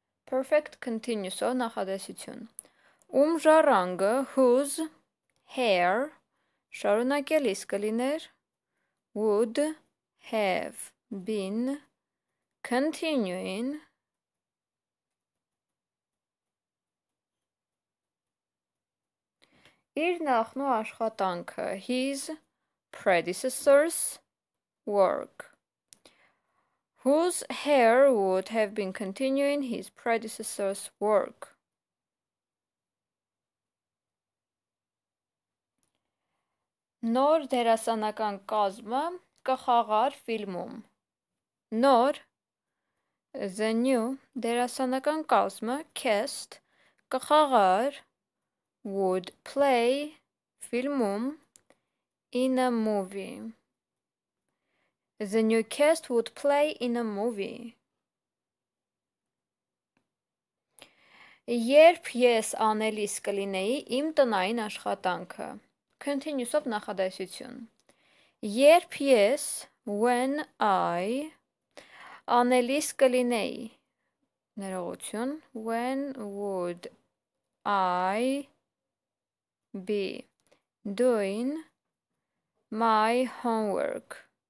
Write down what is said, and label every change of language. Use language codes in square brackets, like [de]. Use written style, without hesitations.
[hy] Perfect continuous-ով նախադասություն։ Ժառանգը, [en] whose hair, [hy] շարունակելիս կլիներ, [en] would have been continuing [hy] իր նախնու աշխատանքը, [en] his predecessor's work. Whose hair would have been continuing his predecessor's work? [hy] Նոր դերասանական կազմը կխաղար ֆիլմում։ Նոր, [en] the new, [hy] դերասանական կազմը, cast, կխաղար, [en] would play, [hy] ֆիլմում, [en] in a movie. The new cast would play in a movie. [hy] Երբ ես անելիս կլինեի իմ տնային աշխատանքը։ Continuous-ով նախադասություն։ Երբ ես, [en] when I, [hy] անելիս կլինեի, ներողություն, [en] when would I be doing my homework?